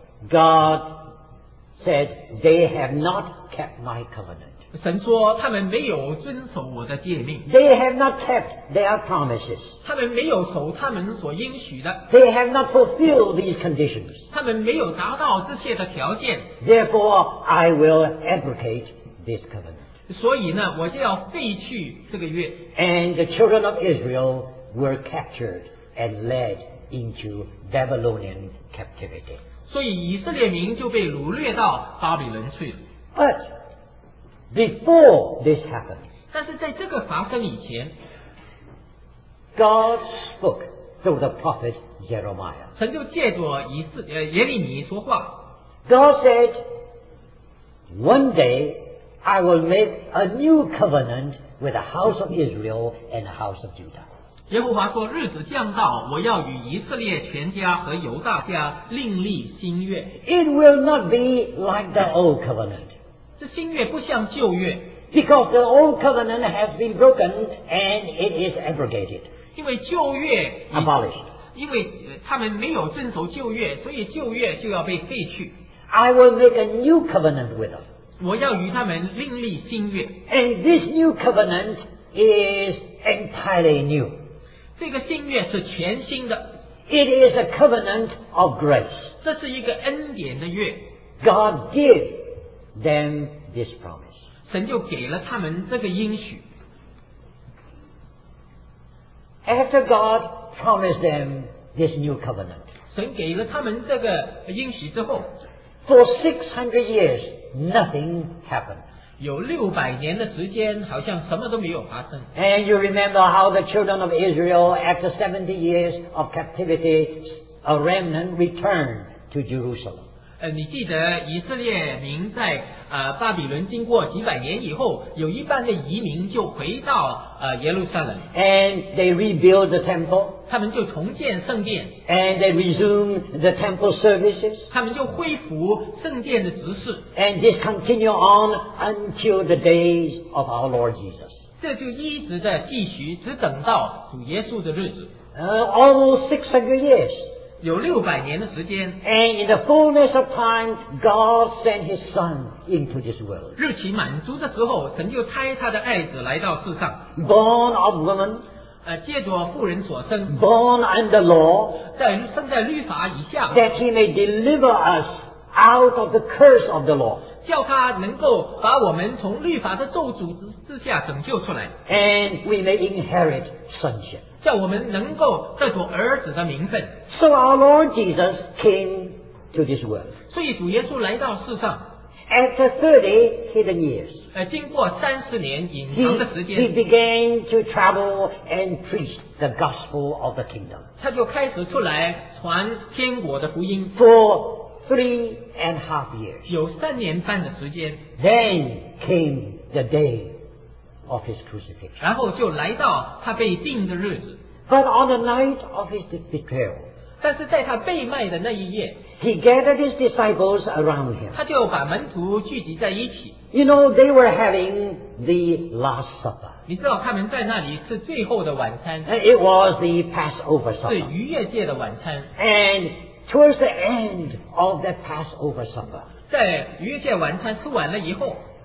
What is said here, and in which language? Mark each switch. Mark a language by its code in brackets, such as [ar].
[en] God said they have not kept my covenant. [zh] 神说他们没有遵守我的诫命。 [en] They have not kept their promises. [zh] 他们没有守他们所应许的。 [en] They have not fulfilled these conditions. [zh] 他们没有达到这些的条件。 [en] Therefore, I will abrogate this covenant. [zh] 所以呢，我就要废去这个约。 [en] And the children of Israel were captured and led into Babylonian captivity. [zh] 所以以色列民就被掳掠到巴比伦去了。 [en] But before this happened, [zh] 但是在这个发生以前 [en] ，God spoke through the prophet Jeremiah. [zh] 神就借着耶利米说话。 [en] God said, "One day." I will make a new covenant with the house of Israel and the house of Judah. [zh] 耶和华说日子将到我要与以色列全家和犹大家另立新约。 [en] It will not be like the old covenant. [zh] 这新约不像旧约。 [en] Because the old covenant has been broken and it is abrogated. [zh] 因为旧约 [en] abolished. [zh] 因为他们没有遵守旧约，所以旧约就要被废去。 [en] I will make a new covenant with them. [zh] 我要与他们另立新约。 [en] And this new covenant is entirely new. [zh] 这个新约是全新的。 [en] It is a covenant of grace. [zh] 这是一个恩典的约。 [en] God gave them this promise. [zh] 神就给了他们这个应许。 [en] After God promised them this new covenant, [zh] 神给了他们这个应许之后 [en] for 600 years,Nothing happened. [zh] 有六百年的时间，好像什么都没有发生。 [en] And you remember how the children of Israel, after 70 years of captivity, a remnant returned to Jerusalem. [zh] 你记得以色列民在巴比伦经过几百年以后，有一半的移民就回到耶路撒冷。 [en] And they rebuild the temple. [zh] 他们就重建圣殿。 [en] And they resume the temple services. [zh] 他们就恢复圣殿的执事。 [en] And this continued on until the days of our Lord Jesus. [zh] 这就一直在继续，只等到主耶稣的日子。 [en] Almost 600 years. [zh] 有六百年的时间。 [en] And in the fullness of time, God sent His Son into this world. [zh] 日期满足的时候，神就差他的爱子来到世上。 [en] Born of woman, [zh] 借着妇人所生。 [en] Born under law, [zh] 生在律法以下。 [en] That He may deliver us out of the curse of the law. [zh] 叫他能够把我们从律法的咒诅之下拯救出来。 [en] And we may inherit sonship. [zh] 叫我们能够得着儿子的名分。 [en] So our Lord Jesus came to this world. [zh] 所以主耶稣来到世上。 [en] After 30 hidden years, [zh] 经过三十年隐藏的时间。 [en] He began to travel and preach the gospel of the kingdom. [zh] 他就开始出来传天国的福音。 [en] For 3.5 years, [zh] 有三年半的时间。 [en] Then came the day. Of his crucifixion. [zh] 然后就来到他被钉的日子。 [en] But on the night of his betrayal, [zh] 但是在他被卖的那一夜， [en] he gathered his disciples around him. [zh] 他就把门徒聚集在一起。 [en] You know, they were having the Last Supper. [zh] 你知道他们在那里是最后的晚餐。 [en] It was the Passover Supper. [zh] 是逾越节的晚餐。 [en] And towards the end of the Passover Supper, [zh] 在逾越节晚餐吃完了以后，